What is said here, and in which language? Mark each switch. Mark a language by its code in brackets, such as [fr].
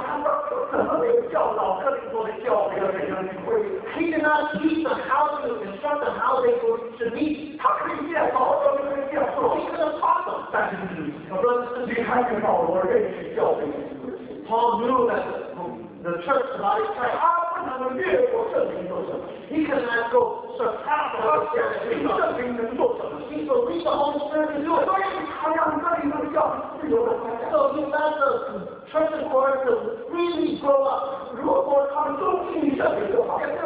[zh] 他怎么没有教导哥林多的教会的弟兄姊妹？ [en] He did not teach them how to instruct them how they were to meet. [zh] 他可以介绍，他可以介绍，他可以教导。但是，你看见保罗认识教会的弟兄姊妹 [en] ？Paul knew that the church was not his church. [zh] 他不能越过圣灵做什么 [en] ？He could not go surpass the [zh] Holy Spirit. 圣灵能做什么 [en] ？He believed the Holy Spirit can do it. [zh] 所以，他让哥林多教会自由的发展。 [en] So he let the church in Corinth freely grow up. [zh] 如果他们都听你圣灵就好。